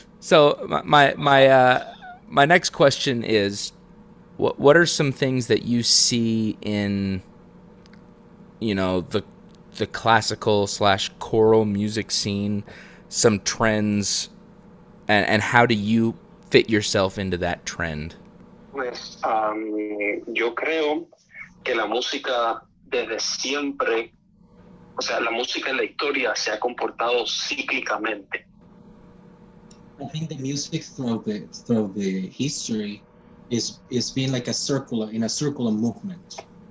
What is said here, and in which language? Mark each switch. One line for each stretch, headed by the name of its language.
English: So my next question is, what are some things that you see in, you know, the classical/choral music scene, some trends, and how do you fit yourself into that trend?
Spanish: Pues yo creo que la música desde siempre, o sea, la música en la historia se ha comportado cíclicamente.
English: I think the music throughout the history is being like a circular movement.